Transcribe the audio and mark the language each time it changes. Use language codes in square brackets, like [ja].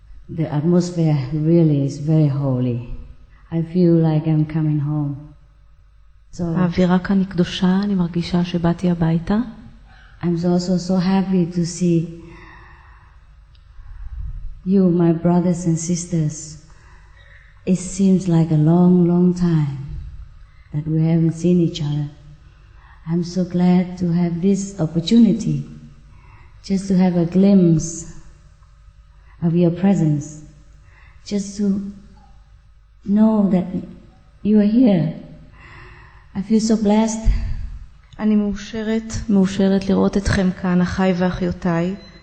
[en] The atmosphere really is very holy. I feel like I'm coming home. [he] So האווירה כאן היא קדושה, אני מרגישה שבאתי הביתה. [en] I'm also so happy to see you, my brothers and sisters. It seems like a long, long time that we haven't seen each other. I'm so glad to have this opportunity just to have a glimpse of your presence, just to know that you are here. I feel so blessed. [he] אני מאושרת, מאושרת לראות אתכם כאן, אחיי ואחיותיי.